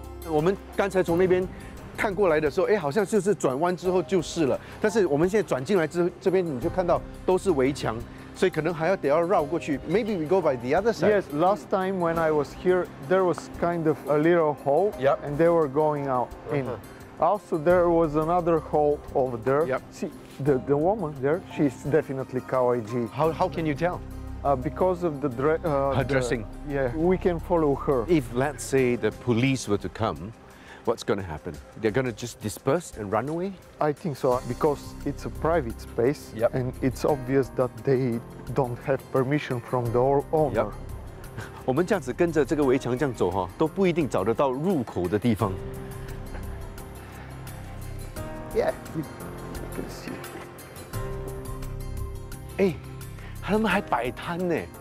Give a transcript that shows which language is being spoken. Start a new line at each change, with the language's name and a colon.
Chinese: 我们刚才从那边看过来的时候，哎，好像就是转弯之后就是了。但是我们现在转进来之后，这边你就看到都是围墙，所以可能还要得要绕过去。
English: Maybe we go by the other side. Yes, last time when I was here, there was kind of a little hole. Yep. And they were going out in. Also, there was another hole over there. Yep. See the woman there? She's definitely KYG. How can you tell? Because of the dressing. Yeah, we can follow her. If, let's say, the police were to come, what's going to happen? They're going to just disperse and run away? I think so, because it's a private space, yep. And it's obvious that they don't have permission from the owner. Yep.
Chinese: 我们这样子跟着这个围墙这样走，都不一定找得到入口的地方。
English: Yeah, you can see.
Chinese: Hey. 他们还摆摊呢。